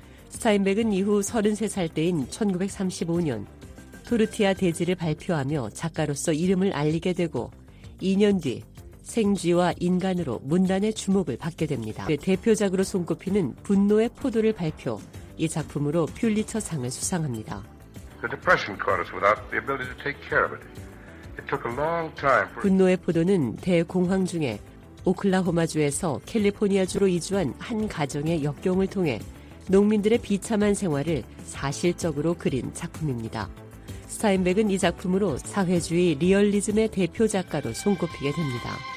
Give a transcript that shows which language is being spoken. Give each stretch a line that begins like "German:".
Korean: 스타인백은 이후 33살 때인 1935년 토르티아 대지를 발표하며 작가로서 이름을 알리게 되고 2년 뒤 생쥐와 인간으로 문단의 주목을 받게 됩니다. 그 대표작으로 손꼽히는 분노의 포도를 발표 이 작품으로 퓰리처상을 수상합니다.
English: The depression caught us without the ability to take care of it. It took a long time.
Korean: 분노의 포도는 대공황 중에 오클라호마주에서 캘리포니아주로 이주한 한 가정의 역경을 통해 농민들의 비참한 생활을 사실적으로 그린 작품입니다. 스타인백은 이 작품으로 사회주의 리얼리즘의 대표 작가로 손꼽히게 됩니다.